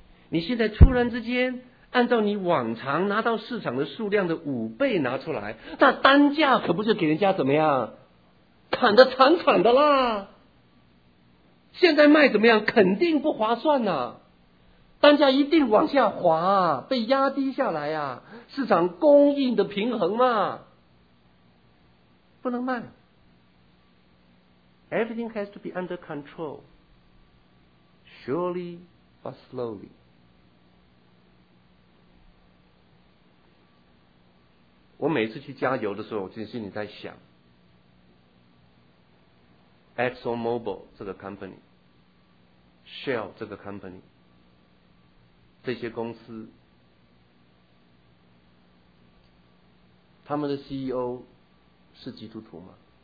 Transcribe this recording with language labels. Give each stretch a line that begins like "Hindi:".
Chinese: 你现在突然之间按照你往常拿到市场的数量的五倍拿出来，那单价可不就给人家怎么样砍得惨惨的啦。现在卖怎么样肯定不划算啊，单价一定往下滑，被压低下来啊，市场供应的平衡嘛，不能卖。
English: Everything has to be under control, surely but slowly.
Chinese: 我每次去加油的时候，我心里在想 ExxonMobil 这个 company, Shell 这个 company,这些公司他们的 CEO 是基督徒吗？